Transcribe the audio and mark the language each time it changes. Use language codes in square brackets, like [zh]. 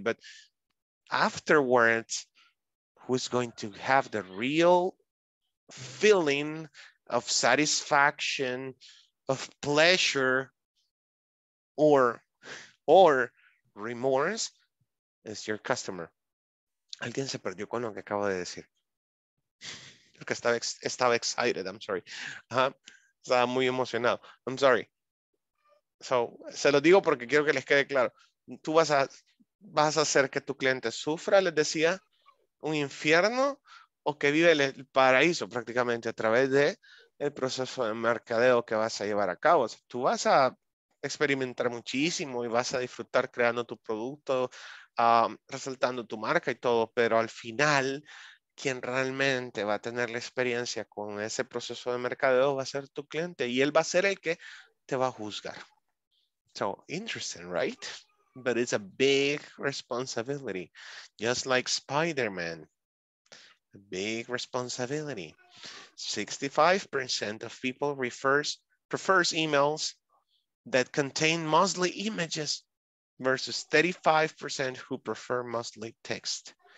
[en] But afterwards, who's going to have the real feeling of satisfaction, of pleasure, or remorse, is your customer. [es] Alguien se perdió con lo que acabo de decir. Porque estaba excited, [en] I'm sorry. [es] Estaba muy emocionado. I'm sorry. So, se lo digo porque quiero que les quede claro. Tú vas a hacer que tu cliente sufra, les decía, un infierno, o que vive el paraíso prácticamente a través de el proceso de mercadeo que vas a llevar a cabo. O sea, tú vas a experimentar muchísimo y vas a disfrutar creando tu producto, resaltando tu marca y todo, pero al final, quien realmente va a tener la experiencia con ese proceso de mercadeo va a ser tu cliente y él va a ser el que te va a juzgar. [en] So, interesting, right? But it's a big responsibility, just like Spider-Man. A big responsibility. 65% of people prefers emails that contain mostly images versus 35% who prefer mostly text.